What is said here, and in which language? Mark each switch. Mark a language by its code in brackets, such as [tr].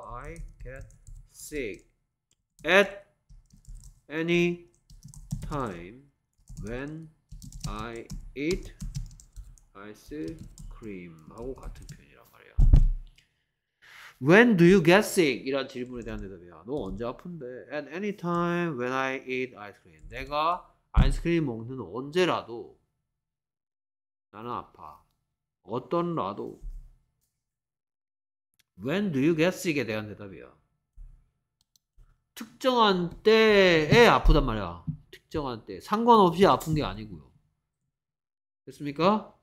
[en] I get sick at any time when I eat ice cream [ko] 하고 같은 표현이란 말이야. [en] When do you get sick? [ko] 이란 질문에 대한 대답이야. 너 언제 아픈데? [en] At any time when I eat ice cream. [ko] 내가 아이스크림 먹는 언제라도 나는 아파. 어떤 라도 [en] When do you get sick [ko] 에 대한 대답이야. 특정한 때에 아프단 말이야. 특정한 때 상관없이 아픈 게 아니고요. 됐습니까?